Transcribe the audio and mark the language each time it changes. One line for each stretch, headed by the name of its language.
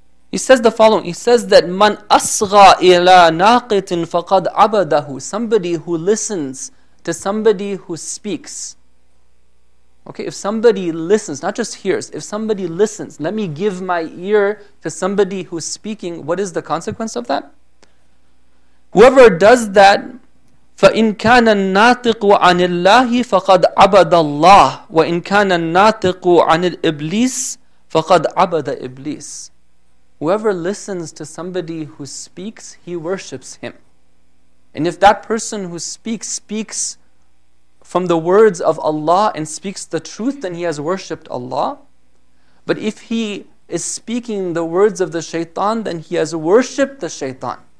English: He says the following. He says that
Arabic: man asgha ila naqitin faqad abadahu,
English: somebody who listens to somebody who speaks. Okay, if somebody listens, not just hears, if somebody listens, let me give my ear to somebody who's speaking, what is the consequence of that? Whoever does that,
Arabic: فَإِنْ كَانَ النَّاطِقُ عَنِ اللَّهِ فَقَدْ عَبَدَ اللَّهِ وَإِنْ كَانَ النَّاطِقُ عَنِ الْإِبْلِيسِ فَقَدْ عَبَدَ إِبْلِيسِ.
English: Whoever listens to somebody who speaks, he worships him. And if that person who speaks speaks from the words of Allah and speaks the truth, then he has worshipped Allah. But if he is speaking the words of the shaitan, then he has worshipped the shaitan.